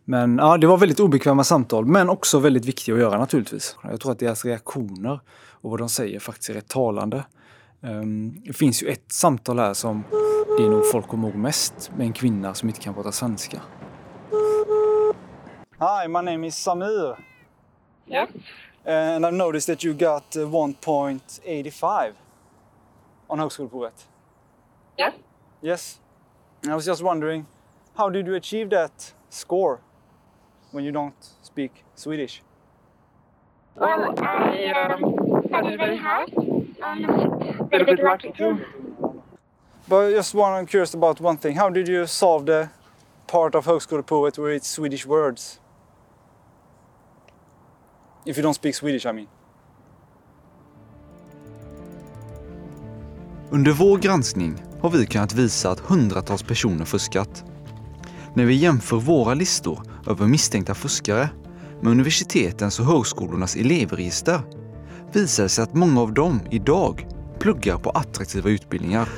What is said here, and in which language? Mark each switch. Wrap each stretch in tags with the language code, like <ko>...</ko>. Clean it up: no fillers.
<sv>Men ja, det var väldigt obekväma samtal, men också väldigt viktigt att göra naturligtvis. Jag tror att deras reaktioner och vad de säger faktiskt är rätt talande. Det finns ju ett samtal här som det är nog folk kommer ihåg mest, med en kvinna som inte kan prata svenska.</sv> <en>Hi, my name is Samir. Yeah. And I've noticed that you got 1.85 on Högskoleprovet. Yeah. Yes. And I was just wondering, how did you achieve that score when you don't speak Swedish? Well, I studied very hard. A bit lucky too. But just one, I'm curious about one thing. How did you solve the part of Högskoleprovet where it's Swedish words? If you don't speak Swedish, I mean.</en> <sv>Under vår granskning har vi kunnat visa att hundratals personer fuskat. När vi jämför våra listor över misstänkta fuskare med universitetens och högskolornas elevregister visar det sig att många av dem idag pluggar på attraktiva utbildningar.</sv>